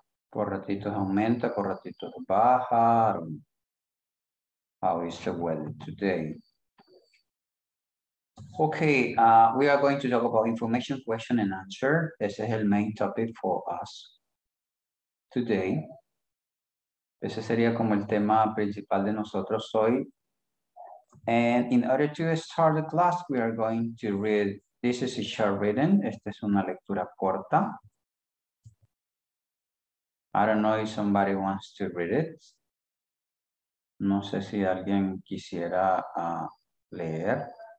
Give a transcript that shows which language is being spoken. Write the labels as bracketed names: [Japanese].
[Spanish] Por ratitos aumenta, por ratitos baja. [English] How is the weather today? Okay, we are going to talk about information, question, and answer. This is the main topic for us today. [Spanish] Ese sería como el tema principal de nosotros hoy. [English] And in order to start the class, we are going to read. This is a short reading. [Spanish] Esta es una lectura corta. [English] I don't know if somebody wants to read it. [Spanish] No sé si alguien quisiera leer.